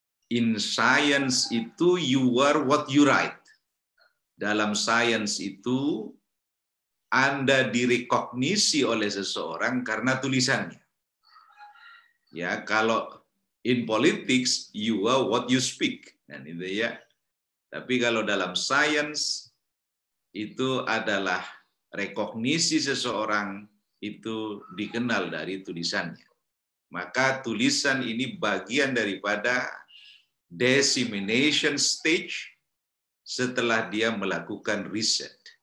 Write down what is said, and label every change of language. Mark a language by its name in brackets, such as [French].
[English] In science [Indonesian] itu [English] you are what you write. [Indonesian] Dalam science itu Anda direkognisi oleh seseorang karena tulisannya. Ya, kalau [English] in politics you are what you speak. [Indonesian] Dan itu ya. Tapi kalau dalam science itu adalah rekognisi seseorang itu dikenal dari tulisannya. Maka tulisan ini bagian daripada dissemination stage setelah dia melakukan riset.